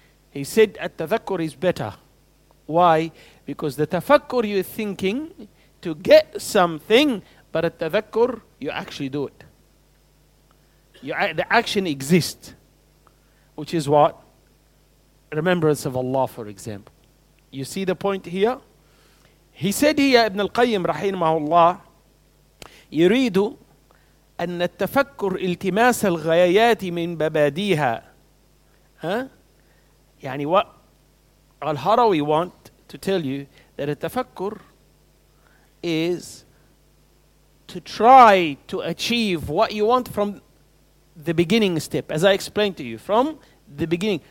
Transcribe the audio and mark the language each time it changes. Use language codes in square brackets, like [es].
[en] He said at tafakkur is better. Why? Because the tafakkur you're thinking to get something, but at tafakkur you actually do it. The action exists, which is what? Remembrance of Allah, for example. You see the point here? He said here, [ar] Ibn al-Qayyim, rahimahullah, يريد أن التفكر التماس الغايات من بباديها. [en] يعني what Al-Harawi want to tell you, that التفكر is to try to achieve what you want from the beginning step, as I explained to you, from the beginning.